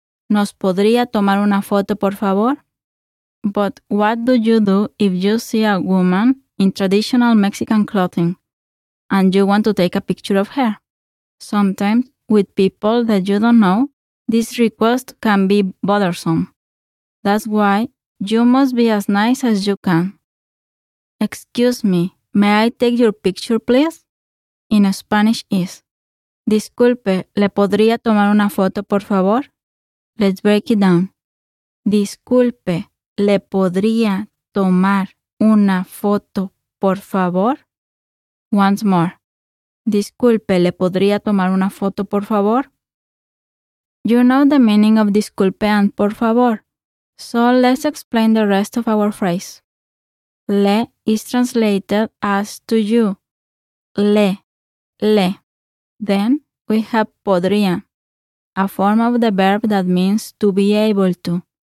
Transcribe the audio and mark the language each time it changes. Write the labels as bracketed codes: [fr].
[es] ¿Nos podría tomar una foto, por favor? [en] But what do you do if you see a woman in traditional Mexican clothing and you want to take a picture of her? Sometimes, with people that you don't know, this request can be bothersome. That's why you must be as nice as you can. Excuse me, may I take your picture, please? In Spanish is, [es] disculpe, ¿le podría tomar una foto, por favor? [en] Let's break it down. [es] Disculpe, ¿le podría tomar una foto, por favor? [en] Once more. [es] Disculpe, ¿le podría tomar una foto, por favor? [en] You know the meaning of disculpe and por favor. So let's explain the rest of our phrase. Le is translated as to you. Le, le. Then we have podría, a form of the verb that means to be able to.